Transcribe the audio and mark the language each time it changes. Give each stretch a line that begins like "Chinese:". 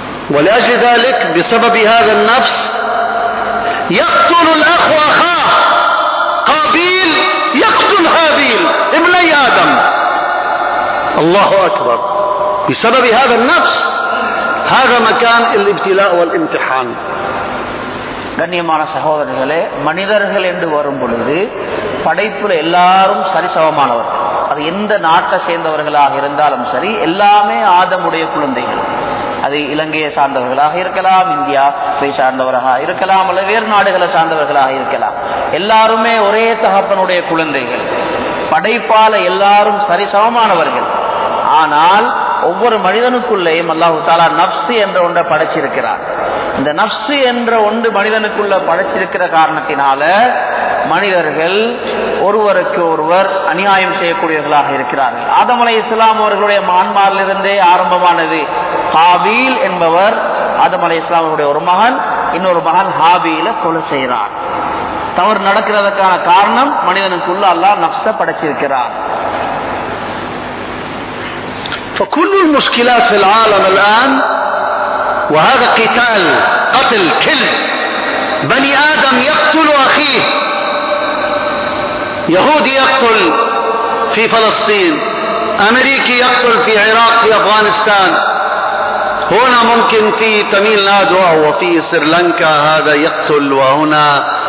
Arabic: ولأجل ذلك بسبب هذا النفس يقتل الأخ أخاه قابيل يقتل هابيل ابن آدم الله أكبر بسبب هذا النفس هذا مكان الابتلاء والامتحان
Tamil: கண்ணியமான சகோதரர்களே, மனிதர்கள் என்று வரும் பொழுது படைப்புல எல்லாரும் சரிசமமானவர்கள். அது எந்த நாட்டை சேர்ந்தவர்களாக இருந்தாலும் சரி, எல்லாமே ஆதமுடைய குழந்தைகள். அது இலங்கையை சார்ந்தவர்களாக இருக்கலாம், இந்தியாவை சார்ந்தவராக இருக்கலாம், அல்லது வேறு நாடுகளை சார்ந்தவர்களாக இருக்கலாம். எல்லாருமே ஒரே தகப்பனுடைய குழந்தைகள், படைப்பால எல்லாரும் சரிசமமானவர்கள். ஆனால் ஒவ்வொரு மனிதனுக்குள்ளேயும் அல்லாஹு தஆலா நஃப்ஸு என்ற ஒன்றை படைச்சிருக்கிறார். இந்த நஃப்ஸு என்ற ஒன்று மனிதனுக்குள்ள படைச்சிருக்கிற காரணத்தினால மனிதர்கள் ஒருவருக்கு ஒருவர் அநியாயம் செய்யக்கூடியவர்களாக இருக்கிறார்கள். ஆதம் அலை இஸ்லாம் அவர்களுடைய மான்மாரிலிருந்தே ஆரம்பமானது. ஹாபீல் என்பவர் ஆதம் அலை இஸ்லாம் அவருடைய ஒரு மகன், இன்னொரு மகன் ஹாபீல கொலை செய்கிறார். தவறு நடக்கிறதற்கான காரணம் மனிதனுக்குள்ள அல்லாஹ் நஃப்ஸ படைச்சிருக்கிறார்.
Arabic: فكل المشكلات في العالم الان وهذا قتال قتل كل بني ادم يقتل اخيه يهودي يقتل في فلسطين امريكي يقتل في العراق في افغانستان هنا ممكن في تميل نادوا وفي سريلانكا هذا يقتل وهنا